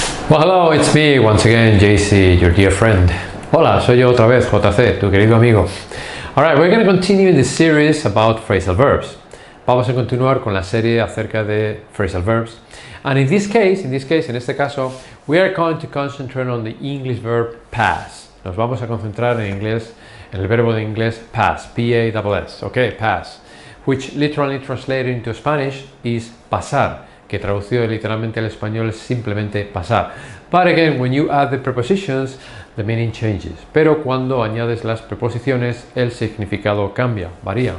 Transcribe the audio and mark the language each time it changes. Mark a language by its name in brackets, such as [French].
[English] Well, hello, it's me once again, JC, your dear friend. [Spanish] Hola, soy yo otra vez, JC, tu querido amigo. [English] All right, we're going to continue in this series about phrasal verbs. [Spanish] Vamos a continuar con la serie acerca de [English] phrasal verbs. And in this case, [Spanish] en este caso, [English] we are going to concentrate on the English verb pass. [Spanish] Nos vamos a concentrar en inglés, en el verbo de inglés pass, P-A-S-S, [English] okay, pass, which literally translated into Spanish is [Spanish] pasar. Que traducido literalmente al español es simplemente pasar. [English] But again, when you add the prepositions, the meaning changes. [Spanish] Pero cuando añades las preposiciones, el significado cambia, varía.